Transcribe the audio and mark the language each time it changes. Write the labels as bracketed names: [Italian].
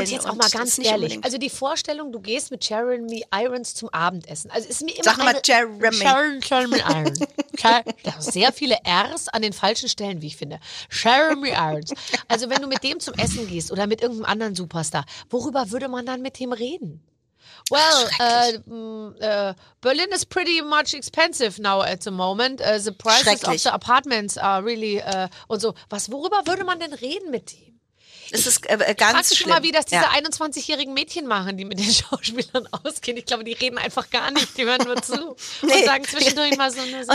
[German] Und jetzt auch mal ganz ehrlich. Unbedingt. Also die Vorstellung, du gehst mit Jeremy Irons zum Abendessen. Also ist mir immer sag mal Jeremy. Jeremy Irons. Sehr viele R's an den falschen Stellen, wie ich finde. Jeremy Irons. Also wenn du mit dem zum Essen gehst oder mit irgendeinem anderen Superstar, worüber würde man dann mit dem reden? [English] Well, Berlin is pretty much expensive now at the moment. The prices of the apartments are really [German] und so. Worüber würde man denn reden mit ihm? Es ist ganz schlimm. Schon mal, wie das diese 21-jährigen Mädchen machen, die mit den Schauspielern ausgehen. Ich glaube, die reden einfach gar nicht. Die hören nur zu und sagen zwischendurch mal so eine